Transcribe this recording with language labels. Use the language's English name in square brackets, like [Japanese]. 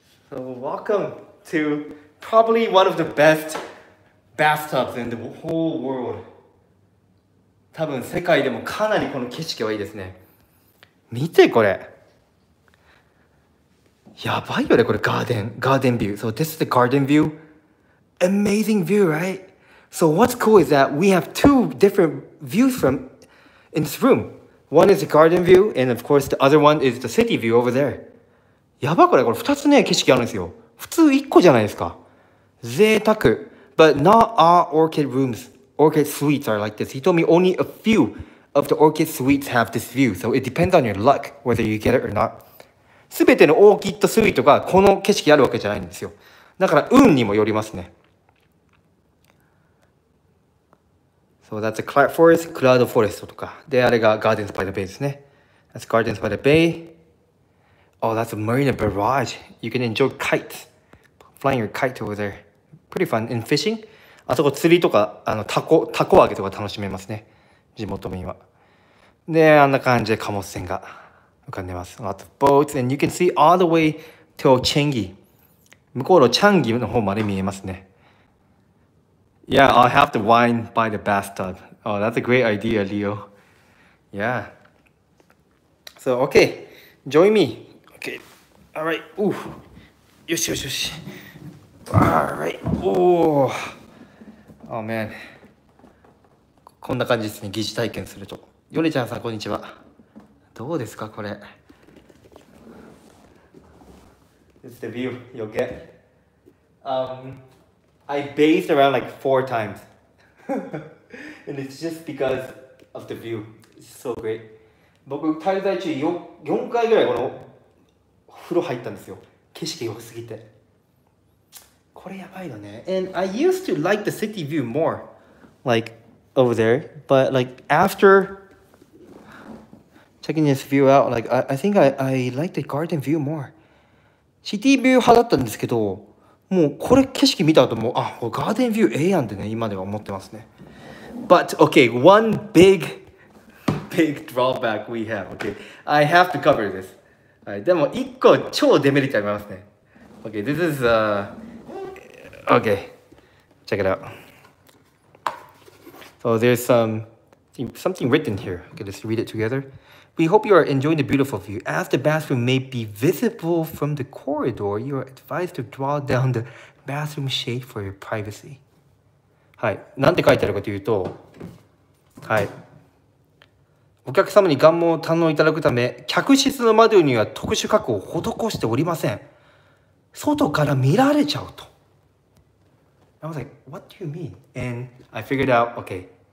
[English] So welcome to probably one of the bestBathtubs in the whole world. [Japanese] 多分世界でもかなりこの景色はいいですね。見てこれ。やばいよねこれ。ガーデンビュー。 [English] So this is the garden view. Amazing view, right? So what's cool is that we have two different views from in this room. One is the garden view, and of course the other one is the city view over there. [Japanese] やばこれ。これ二つね景色あるんですよ。普通一個じゃないですか。贅沢。 [English] But not all orchid rooms, orchid suites are like this. He told me only a few of the orchid suites have this view. So it depends on your luck whether you get it or not. [Japanese] 全てのオーキッドスイートがこの景色あるわけじゃないんですよ。だから運にもよりますね。 [English] So that's a cloud forest, [Japanese] cloud forest とか。で、あれが Gardens by the Bay ですね。 [English] That's Gardens by the Bay. Oh, that's a marina barrage. You can enjoy kites. Flying your kite over there. Pretty fun. And fishing? [Japanese] あそこ釣りとか、あの、タコ揚げとか楽しめますね。地元民は。で、あんな感じで貨物船が浮かんでます。 [English] Lots of boats. And you can see all the way to Changi. [Japanese] 向こうのチャンギの方まで見えますね。 [English] Yeah, I'll have the wine by the bathtub. Oh, that's a great idea, Leo. Yeah. So, okay. Join me. Okay. All right. Oof. [Japanese] よしよしよし。 [English] Alright. Oh. Oh man. [Japanese] こんな感じですね。疑似体験すると。ヨネちゃんさん、こんにちは。どうですかこれ。 [English] This is the view you'll get. I bathed around like 4 times. And it's just because of the view. It's so great. [Japanese] 僕滞在中4回ぐらいこの風呂入ったんですよ。景色良すぎて。これやばいのね。 [English] And I used to like the city view more, like over there. But like after checking this view out, like I think I like the garden view more. [Japanese] シティビュー派だったんですけど、もうこれ景色見た後もう、あ、これガーデンビューええやんってね、今では思ってますね。 [English] But okay, one big drawback we have. Okay, I have to cover this. [Japanese] はい、でも一個超デメリットありますね。 [English] Okay, this is Okay, check it out. So there's something written here. Okay, let's read it together. We hope you are enjoying the beautiful view. As the bathroom may be visible from the corridor, you are advised to draw down the bathroom shade for your privacy. [Japanese] はい。なんて書いてあるかというと、はい。お客様に願望を堪能いただくため、客室の窓には特殊加工を施しておりません。外から見られちゃうと。 [English] I was like, what do you mean? And I figured out, okay.